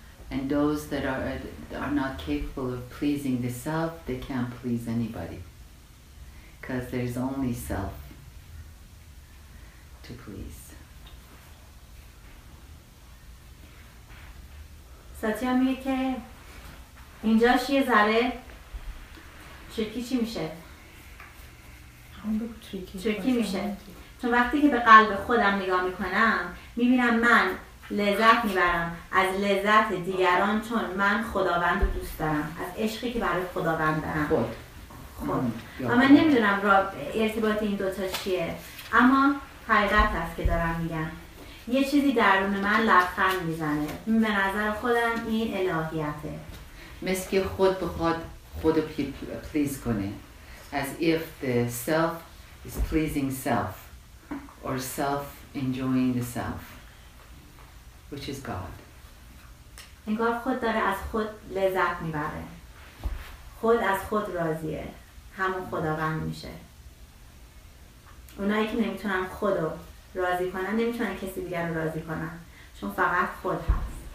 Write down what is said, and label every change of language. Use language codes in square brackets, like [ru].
[en] And those that are not capable of pleasing the self, they can't please anybody, because there's only self to please. [fa] ساتیا میگه که اینجاش یه ذره چرکی چی میشه؟ چرکی میشه. چون وقتی که به قلب خودم نگاه میکنم میبینم من لذت میبرم از لذت دیگران چون من خداوند رو دوست دارم، از عشقی که برای خداوند دارم. خود. اما نمیدونم ارتباط این دوتا چیه، اما حقیقت هست که دارم میگم. یه چیزی درون من لبخند میزنه، به نظر خودم این الهیته، مثل که خود بخواد خود رو پلیز کنه. [en] As if the self is pleasing self, or self enjoying the self, which is God. [fa] انگار خود داره از خود لذت میبره، خود از خود راضیه، همون خداوند میشه. اونایی که نمیتونن خودو راضی کنن نمیتونن کسی دیگر رو راضی کنن، چون فقط خود هست.